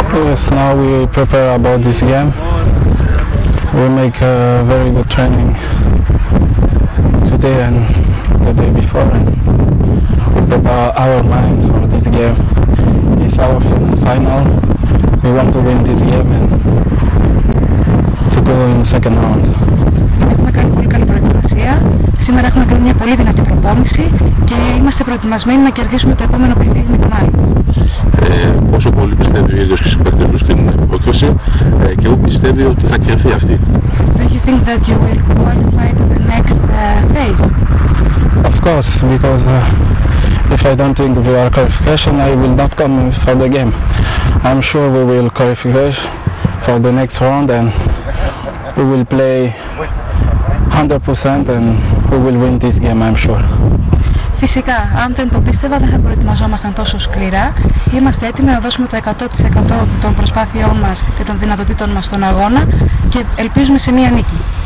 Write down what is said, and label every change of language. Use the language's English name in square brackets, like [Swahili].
[English] Yes, now we prepare about this game. We make a very good training today and the day before. And we prepare our mind for this game. It's our final. We want to win this game and to go in the second round. [Greek] Έχουμε κάνει πολύ καλή προετοιμασία. Σήμερα έχουμε κάνει μια πολύ δυνατή προπόνηση και είμαστε προετοιμασμένοι να κερδίσουμε το επόμενο παιχνίδι με τη Mainz. Πόσο πολύ πιστεύει ο ίδιος και συμπαίκτες του στην πρόκριση και πού πιστεύει ότι θα κερδίσει αυτή? [English] Do you think that you will qualify to the next phase? Of course, because if I don't think we are qualification, I will not come for the game. I'm sure we will qualify for the next round and we will play 100% and we will win this game, I'm sure. [Greek] Φυσικά, αν δεν το πίστευα, δεν θα προετοιμαζόμασταν τόσο σκληρά. Είμαστε έτοιμοι να δώσουμε το 100% των προσπάθειών μας και των δυνατοτήτων μας στον αγώνα και ελπίζουμε σε μία νίκη.